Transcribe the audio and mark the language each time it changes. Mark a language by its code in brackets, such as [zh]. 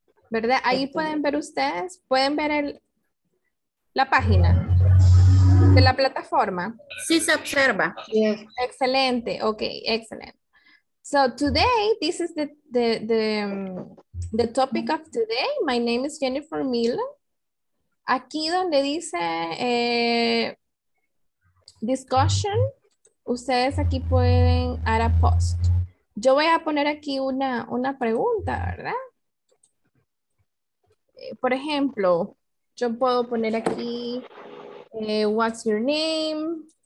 [es] ¿Verdad? Ahí pueden ver ustedes, pueden ver la página de la plataforma. Sí, se observa. Yeah. Excelente, ok, excelente. [en] So today, this is the topic of today. My name is Jeniffer Miller. [es] Aquí donde dice discussion, ustedes aquí pueden [en] add a post. [es] Yo voy a poner aquí una pregunta, ¿verdad? Por ejemplo, yo puedo poner aquí, [en] what's your name?